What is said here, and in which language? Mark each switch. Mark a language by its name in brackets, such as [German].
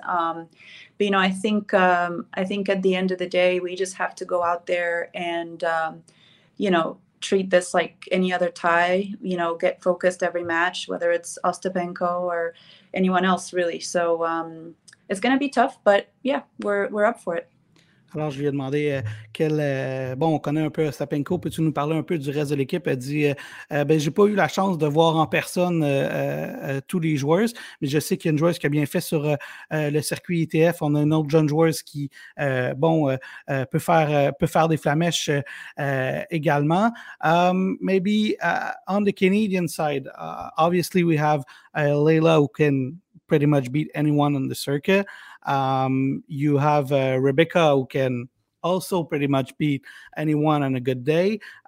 [English] But you know, I think at the end of the day, we just have to go out there and you know, treat this like any other tie. You know, get focused every match, whether it's Ostapenko or anyone else, really. So it's going to be tough, but yeah, we're up for it. [French] Alors, je lui ai demandé quel. Bon, on connaît un peu Ostapenko. Peux-tu nous parler un peu du reste de l'équipe? Elle dit ben, j'ai pas eu la chance de voir en personne tous les joueurs, mais je sais qu'il y a une joueuse qui a bien fait sur le circuit ITF. On a une autre jeune joueuse qui, bon, peut faire des flamèches également. [English] Maybe on the Canadian side, obviously, we have Layla who can pretty much beat anyone on the circuit. You have Rebecca who can also pretty much beat anyone on a good day.